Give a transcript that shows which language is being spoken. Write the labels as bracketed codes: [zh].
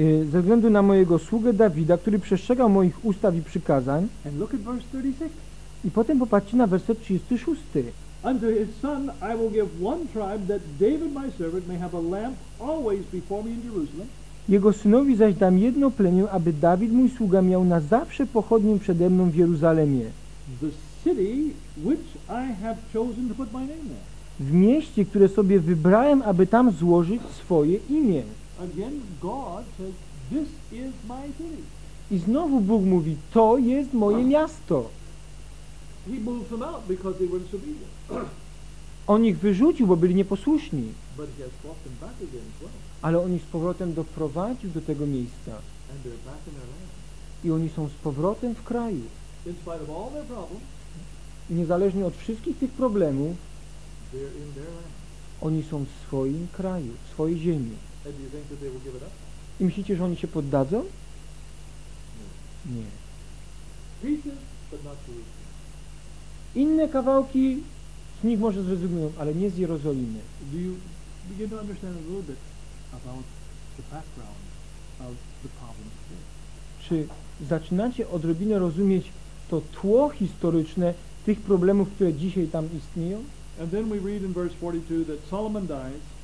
[pl] Ze względu na mojego sługę Dawida, który przestrzegał moich ustaw i przykazań. [en] And look at verse 36. [pl] I potem popatrzcie na werset 36. [en] Unto his son I will give one tribe, that David my servant may have a lamp always before me in Jerusalem. [pl] Jego synowi zaś dam jedno plemię, aby Dawid mój sługa miał na zawsze pochodnię przede mną w Jeruzalemie. [en] The city which I have chosen to put my name there. [pl] W mieście, które sobie wybrałem, aby tam złożyć swoje imię. [en] Again, God says, "This is my city." [pl] I znowu Bóg mówi, to jest moje miasto. [en] He moved them out because they were disobedient. [pl] On ich wyrzucił, bo byli nieposłuszni. [en] But he has brought them back again as well. [pl] Ale on ich z powrotem doprowadził do tego miejsca. [en] And they're back in their land. [pl] I oni są z powrotem w kraju. [en] In spite of all their problems, [pl] niezależnie od wszystkich tych problemów, [en] they're in their land. [pl] Oni są w swoim kraju, w swojej ziemi. [en] And do you think that they will give it up? [pl] I myślicie, że oni się poddadzą? Nie. [en] Pieces, but not Jerusalem. [pl] Inne kawałki z nich może zrezygnują, ale nie z Jerozolimy. [en] Do you begin to understand a little bit about the background of the problem here? [pl] Czy zaczynacie odrobinę rozumieć to tło historyczne tych problemów, które dzisiaj tam istnieją? [en] And then we read in verse 42 that Solomon dies.